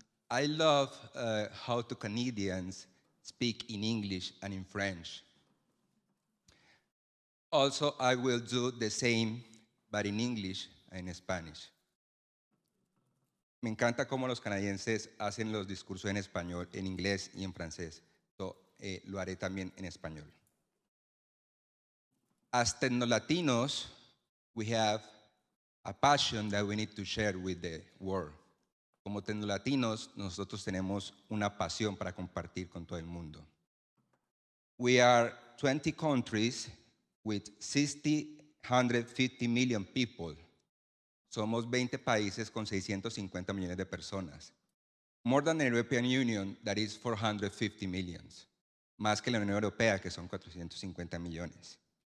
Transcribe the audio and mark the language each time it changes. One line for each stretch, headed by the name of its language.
English: I love how the Canadians speak in English and in French. Also, I will do the same, but in English and in Spanish.
Spanish: Me encanta cómo los canadienses hacen los discursos en español, en inglés y en francés. So, lo haré también en español.
English: As Tecnolatinos, we have a passion that we need to share with the world.
Spanish: Como Tecnolatinos, nosotros tenemos una pasión para compartir con todo el mundo.
English: We are 20 countries with 650 million people.
Spanish: Somos 20 países con 650 millones de personas.
English: More than the European Union, that is 450 million.
Spanish: Más que la Unión Europea, que son 450 millones.